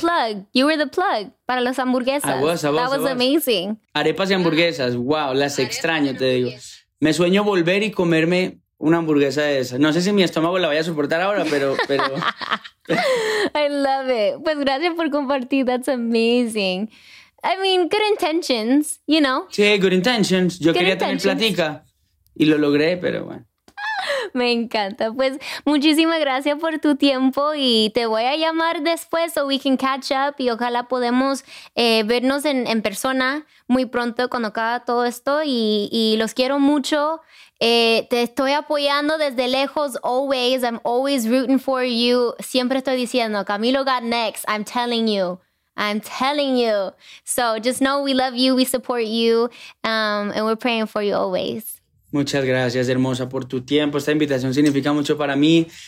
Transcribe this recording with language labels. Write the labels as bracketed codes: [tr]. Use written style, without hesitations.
[en] The plug. You were the plug [es] para las hamburguesas. A vos, [en] that was amazing. [es] Arepas y hamburguesas. [en] Wow, [es] las arepas extraño, te digo. Me sueño volver y comerme una hamburguesa de esas. No sé si mi estómago la vaya a soportar ahora, pero... [en] I love it. [es] Pues gracias por compartir. [en] That's amazing. I mean, good intentions, you know. Sí, good intentions. [es] Yo quería tener platica y lo logré, pero bueno. Me encanta. Pues muchísimas gracias por tu tiempo y te voy a llamar después [en] so we can catch up [es] y ojalá podemos vernos en persona muy pronto cuando acabe todo esto y los quiero mucho. Te estoy apoyando desde lejos always. [en] I'm always rooting for you. [es] Siempre estoy diciendo, [en] Camilo got next. I'm telling you. So just know we love you, we support you, and we're praying for you always. [es] Muchas gracias, hermosa, por tu tiempo. Esta invitación significa mucho para mí.